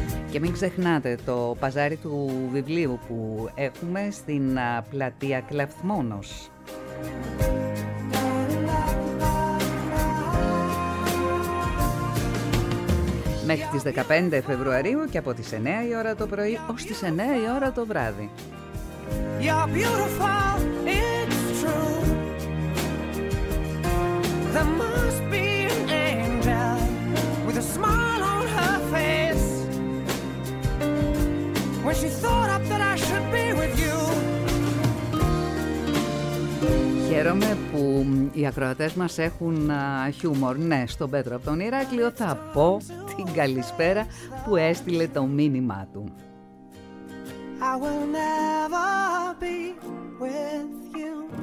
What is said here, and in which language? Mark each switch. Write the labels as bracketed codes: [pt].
[el] Και μην ξεχνάτε το παζάρι του βιβλίου που έχουμε στην πλατεία Κλαφθμόνος. Μέχρι τις 15 Φεβρουαρίου και από τις 9 η ώρα το πρωί ως τις 9 η ώρα το βράδυ. [en] You're beautiful, it's true. There must be an angel with a smile on her face. When she thought up that I should be with you. [el] Χαίρομαι που οι ακροατές μας έχουν χιούμορ. Ναι, στον Πέτρο από τον Ηράκλειο θα πω την καλησπέρα που έστειλε το μήνυμά του. [en] I will never be with you.